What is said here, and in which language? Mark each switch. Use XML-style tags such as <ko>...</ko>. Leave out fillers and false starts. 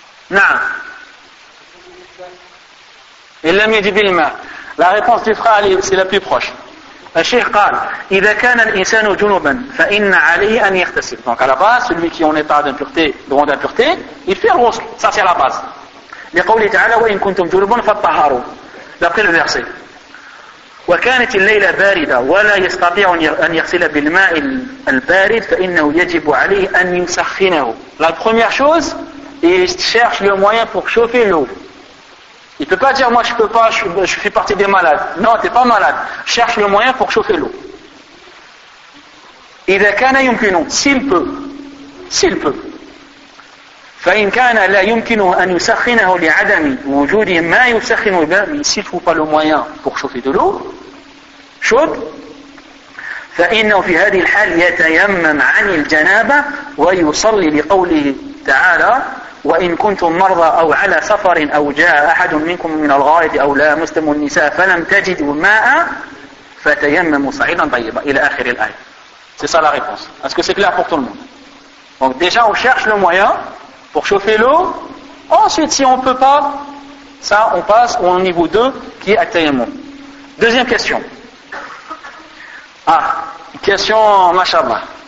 <fr>Non. Il l'a mis du bilma. La réponse du frère Ali, c'est la plus proche. Le Cheikh</fr> <ar>قال, إذا كان الإنسان جنوبا فإن عليه أن يغتسل.</ar> <fr>Donc à la base, celui qui est en état d'impureté, loin d'impureté, il fait le ghusl. Ça c'est à la base. Le</fr> <ar>قوله تعالى وإن كنتم جنوبا فطهروا.</ar> <fr>D'après le verset.</fr> <ar>وكانت الليلة باردة ولا يستطيع أن يغسل بالماء البارد فإنه يجب عليه أن يسخنه.</ar> <fr>La première chose, il cherche le moyen pour chauffer l'eau. Il ne peut pas dire, moi je ne peux pas, je fais partie des malades. Non, tu n'es pas malade. Cherche le moyen pour chauffer l'eau. Il a qu'un ayum qu'une onde. S'il peut.</fr> <ar>فإن كان لا يمكنه أن يسخنه لعدم وجود ما يسخن الباب</ar> <fr>s'il faut pas le moyen pour chauffer de l'eau chaude</fr> <ar>فإنه في هذه الحال يتيمم عن الجنابة ويصلي بقوله تعالى وإن كنتم مرضى أو على سفر أو جاء أحد منكم من الغائط أو لامستم النساء فلم تجدوا ماء فتيمموا صعيدا طيبا إلى آخر الآية.</ar> <fr>C'est ça la réponse. Est-ce que c'est clair pour tout le monde? Donc déjà on cherche le moyen pour chauffer l'eau. Ensuite, si on ne peut pas, ça, on passe au niveau 2, qui est atteignement. Deuxième question. Ah, question, mashallah.</fr>